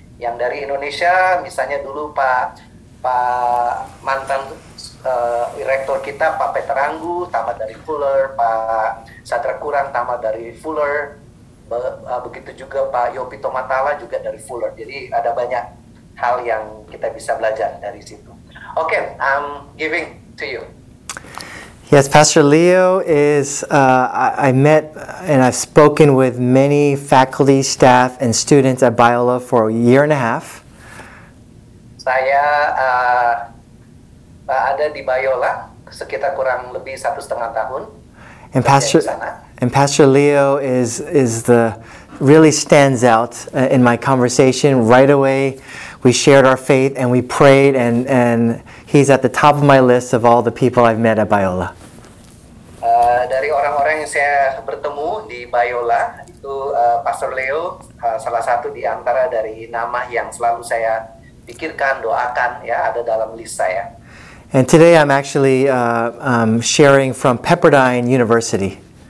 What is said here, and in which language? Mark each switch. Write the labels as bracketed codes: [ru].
[id] Yang dari Indonesia, misalnya dulu Pak mantan rektor kita, Pak Peter Anggu, tamat dari Fuller, Pak Sadra Kurang, tamat dari Fuller. Begitu juga Pak Yopi Tomatala juga dari Fuller. Jadi ada banyak hal yang kita bisa belajar dari situ. [en] Okay, I'm giving to you. Yes, Pastor Leo is, I met and I've spoken with many faculty, staff, and students at Biola for a year and a half. [id] Saya ada di Biola sekitar kurang lebih 1.5 tahun. [en] And Pastor Leo is the really stands out in my conversation. Right away, we shared our faith and we prayed, and he's at the top of my list of all the people I've met at Biola. [id] Dari orang-orang yang saya bertemu di Biola itu Pastor Leo salah satu di antara dari nama yang selalu saya pikirkan, doakan, ya, ada dalam list saya. [en] And today I'm actually sharing from Pepperdine University.